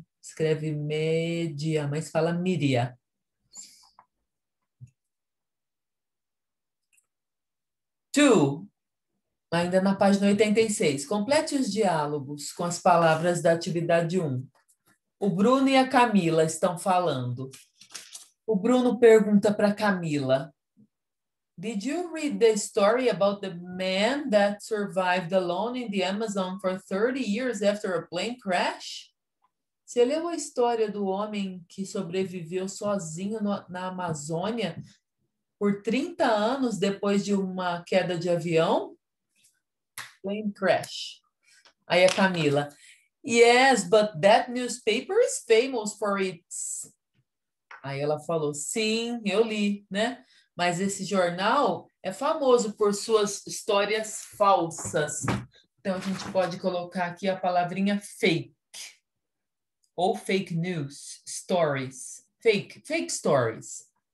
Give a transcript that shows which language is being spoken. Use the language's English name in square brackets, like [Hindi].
[Portuguese] Escreve média, mas fala mídia. [English] Two. [Portuguese] Ainda na página 86. Complete os diálogos com as palavras da atividade 1. O Bruno e a Camila estão falando. O Bruno pergunta para Camila: [English] Did you read the story about the man that survived alone in the Amazon for 30 years after a plane crash? [Portuguese] Você leu a história do homem que sobreviveu sozinho no, na Amazônia por 30 anos depois de uma queda de avião? [English] Plane crash. [Portuguese] Aí a Camila: [English] Yes, but that newspaper is famous for its. [Portuguese] Aí ela falou, sim, eu li, né? Mas esse jornal é famoso por suas histórias falsas. Então a gente pode colocar aqui a palavrinha fake. Ou fake news, stories. [English] Fake, fake stories.